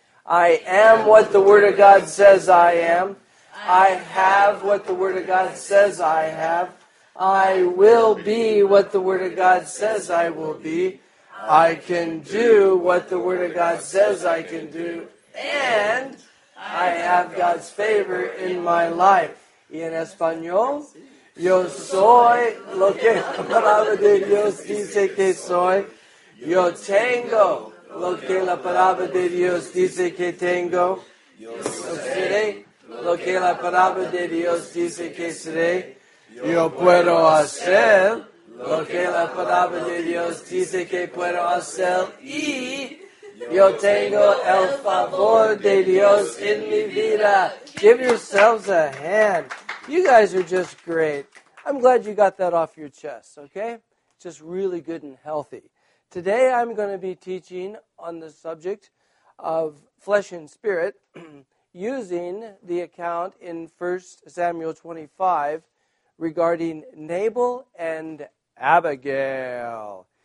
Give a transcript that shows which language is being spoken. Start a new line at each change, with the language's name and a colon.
English: I am what the Word of God says I am. I have what the Word of God says I have. I will be what the Word of God says I will be. I can do what the Word of God says I can do. And I have God's favor in my life.
Spanish: Y en español, yo soy lo que la palabra de Dios dice que soy. Yo tengo lo que la palabra de Dios dice que tengo. Yo seré lo que la palabra de Dios dice que seré. Yo puedo hacer lo que la palabra de Dios dice que puedo hacer. Y yo tengo el favor de Dios en mi vida.
English: Give yourselves a hand. You guys are just great. I'm glad you got that off your chest, okay? Just really good and healthy. Today I'm going to be teaching on the subject of flesh and spirit using the account in 1 Samuel 25 regarding Nabal and Abigail.